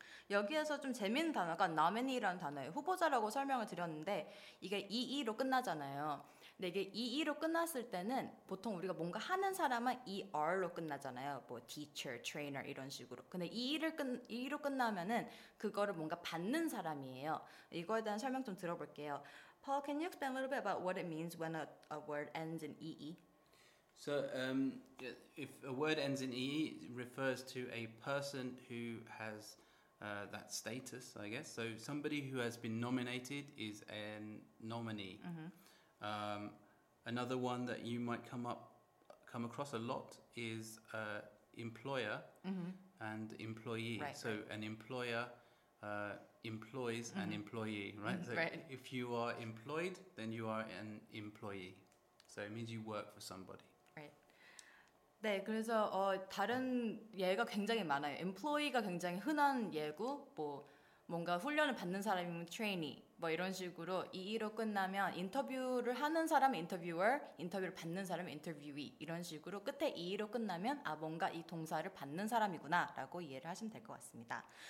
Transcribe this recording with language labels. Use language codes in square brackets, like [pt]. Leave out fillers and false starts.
[ko] 여기에서 좀 재미있는 단어가 nominee라는 단어예요. 후보자라고 설명을 드렸는데 이게 EE로 끝나잖아요. 근데 이게 EE로 끝났을 때는 보통 우리가 뭔가 하는 사람은 ER로 끝나잖아요. 뭐 teacher, trainer 이런 식으로. 근데 EE로 끝나면은 그거를 뭔가 받는 사람이에요. 이거에 대한 설명 좀 들어볼게요. [en] Paul, can you explain a little bit about what it means when a word ends in EE? So if a word ends in EE, it refers to a person who has that status, I guess. So somebody who has been nominated is a nominee. Mm-hmm. Another one that you might come across a lot is employer mm-hmm. and employee. Right, so right. An employer employs mm-hmm. an employee, right? So right. If you are employed, then you are an employee. So it means you work for somebody. [ko] 네, 그래서 다른 예가 굉장히 많아요. Employee가 굉장히 흔한 예고, 뭐 뭔가 훈련을 받는 사람이면 trainee, 뭐 이런 식으로 EE로 끝나면 인터뷰를 하는 사람 interviewer, 인터뷰를 받는 사람 interviewee 이런 식으로 끝에 EE로 끝나면 아 뭔가 이 동사를 받는 사람이구나라고 이해를 하시면 될 것 같습니다.